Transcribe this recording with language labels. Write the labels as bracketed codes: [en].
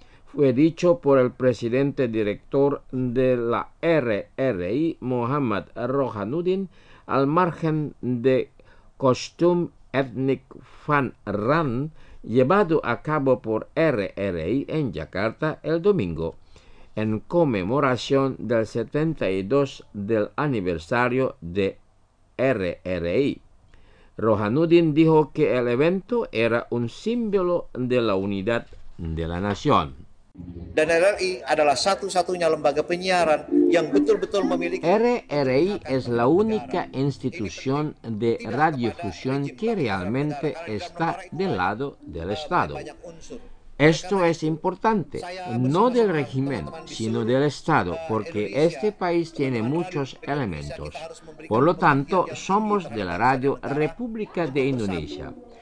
[es] Fue dicho por el presidente director de la RRI, Muhammad Rohanuddin, al margen de Costum Ethnic Fun Run, llevado a cabo por RRI en Jakarta el domingo, en conmemoración del 72 del aniversario de RRI. Rohanuddin dijo que el evento era un símbolo de la unidad de la nación. [id] Dan RRI adalah satu-satunya lembaga penyiaran yang betul-betul memiliki. [es] RRI es la única institución de radiodifusión que realmente está del lado del Estado. Esto es importante, no del régimen, sino del Estado, porque este país tiene muchos elementos. Por lo tanto, somos de la Radio República de Indonesia.